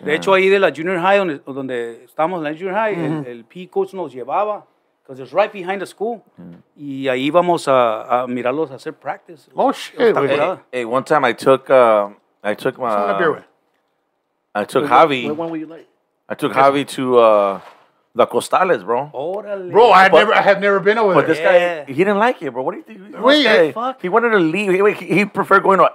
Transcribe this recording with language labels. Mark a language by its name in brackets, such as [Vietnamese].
[Spanish] De hecho, ahí de la junior high, donde estamos en la junior high, mm-hmm. el PE coach nos llevaba, [English] because it's right behind the school. Mm-hmm. [Spanish] Y ahí íbamos a mirarlos a hacer practice. [English] Oh, shit. Hey, one time I took Javi to the Costales, bro. [Spanish] Orale. [English] Bro, I have never been over but there. But this guy, he didn't like it, bro. What do you think? Wait, what the fuck? He wanted to leave. He preferred going to